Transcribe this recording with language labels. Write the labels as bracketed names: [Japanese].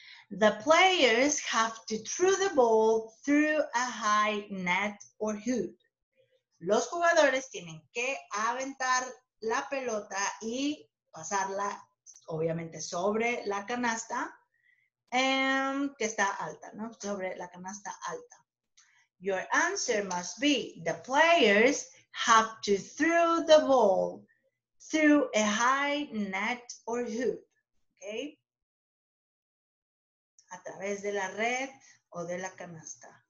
[English] The players have to throw the ball through a high net or hoop. [Spanish] Los jugadores tienen que aventar la pelota y pasarla, obviamente, sobre la canasta que está alta, ¿no? Sobre la canasta alta. [English] Your answer must be, the players have to throw the ball through a high net or hoop, okay? [Spanish] A través de la red o de la canasta.